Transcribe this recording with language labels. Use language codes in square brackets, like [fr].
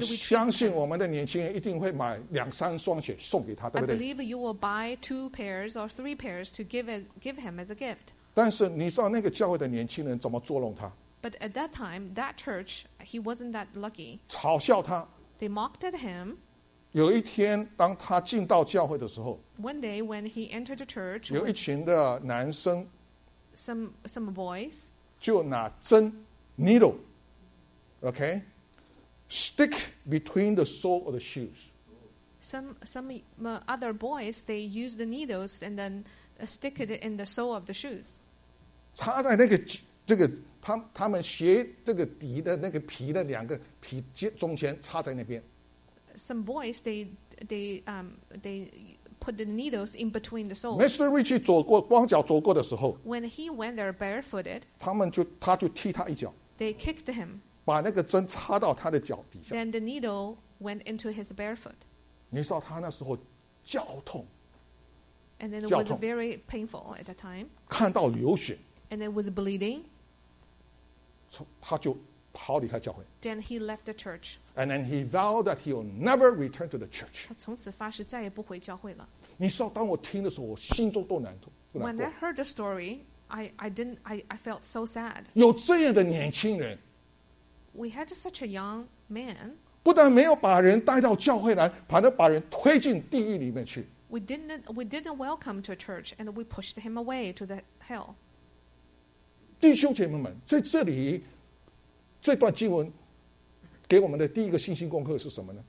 [zh] 我相信我们的年轻人一定会买两三双鞋送给他，对不对？ [en] I believe you will buy two pairs or three pairs to give him as a gift. [zh] 但是你知道那个教会的年轻人怎么捉弄他？ [en] But at that time, that church, he wasn't that lucky. [zh] 嘲笑他。 [en] They mocked at him. [zh] 有一天当他进到教会的时候 [en] One day when he entered the church, [zh] 有一群的男生 [en] some boys [zh] 就拿针 [en] needle okay, stick between the sole of the shoes some other boys they use the needles and then stick it in the sole of the shoes [zh] 插在那个这个他们鞋这个底的那个皮的两个皮中间插在那边 [en] Some boys, they put the needles in between the soles. [zh] Mr. Ritchie 走过光脚走过的时候 [en] ，When he went there barefooted, [zh] 他就踢他一脚 [en] ，They kicked him. [zh] 把那个针插到他的脚底下 [en] ，Then the needle went into his bare foot. [zh] 你知道他那时候绞痛 [en] ，And then it was very painful at the time. [zh] 看到流血 [en] ，And it was bleeding. [zh] 他就跑离开教会, [en] then he left the church. And then he vowed that he will never return to the church. [zh] 他从此发誓再也不回教会了。你说当我听的时候，我心中都难过。 [en] When I heard the story, I felt so sad. [zh] 有这样的年轻人, [en] we had such a young man. [zh] 不但没有把人带到教会来，反而把人推进地狱里面去。 [en] We didn't welcome to a church, and we pushed him away to the hell. [zh] 弟兄姐妹们，在这里。这段经文给我们的第一个信心功课是什么呢?